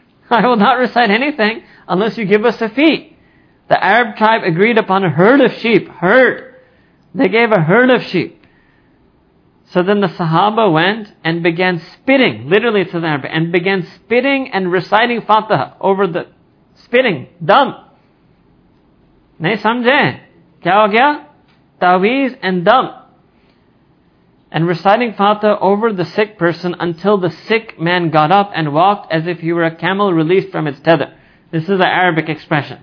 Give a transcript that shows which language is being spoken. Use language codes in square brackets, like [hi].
[en] I will not recite anything unless you give us a fee. The Arab tribe agreed upon a herd of sheep. Herd. They gave a herd of sheep. So then the Sahaba went and began spitting, literally to the Arab, and began spitting and reciting Fatiha over the spitting. Dum. [ur] نہیں سمجھے? کیا ہو گیا? [en] Taweez and dum. And reciting Fatiha over the sick person until the sick man got up and walked as if he were a camel released from its tether. This is the Arabic expression.